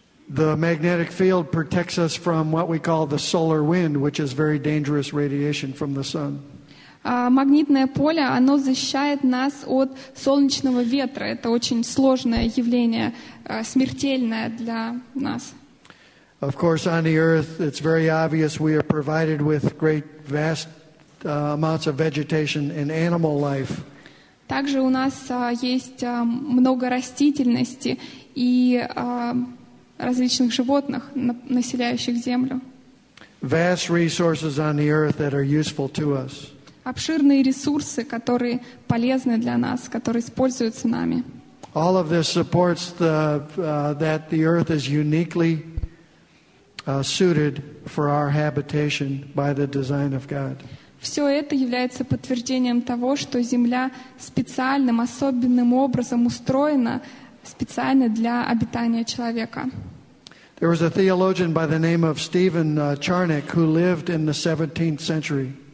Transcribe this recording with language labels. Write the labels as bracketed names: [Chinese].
[English] The magnetic field protects us from what we call the solar wind, which is very dangerous radiation from the sun. [Russian] Магнитное поле, оно защищает нас от солнечного ветра. Это очень сложное явление, смертельное для нас. [English] Of course, on the Earth, it's very obvious we are provided with great vast amounts of vegetation and animal life. [Russian] Также у нас есть много растительности и различных животных, населяющих Землю. [English] Vast resources on the Earth that are useful to us. [Russian] Обширные ресурсы, которые полезны для нас, которые используются нами. [English] All of this supports that the Earth is uniquely suited for our habitation by the design of God. [Russian] Все это является подтверждением того, что Земля специальным, особенным образом устроена специально для обитания человека. [English] There was a theologian by the name of Stephen Charnock who lived in the 17th century.